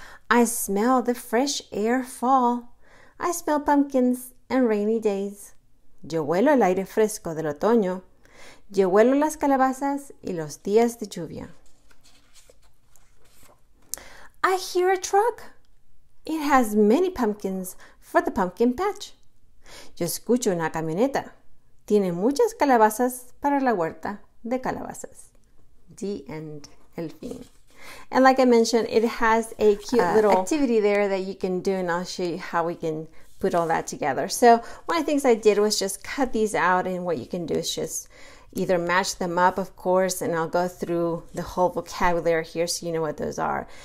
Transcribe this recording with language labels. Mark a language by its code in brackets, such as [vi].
[en] I smell the fresh air fall. I smell pumpkins and rainy days. [es] Yo huelo el aire fresco del otoño. Yo huelo las calabazas y los días de lluvia. [en] I hear a truck. It has many pumpkins for the pumpkin patch. [es] Yo escucho una camioneta. Tiene muchas calabazas para la huerta de calabazas. [en] The end. [es] El fin. [en] And like I mentioned, it has a cute little activity there that you can do, and I'll show you how we can put all that together. So one of the things I did was just cut these out, and what you can do is just either match them up, of course, and I'll go through the whole vocabulary here so you know what those are.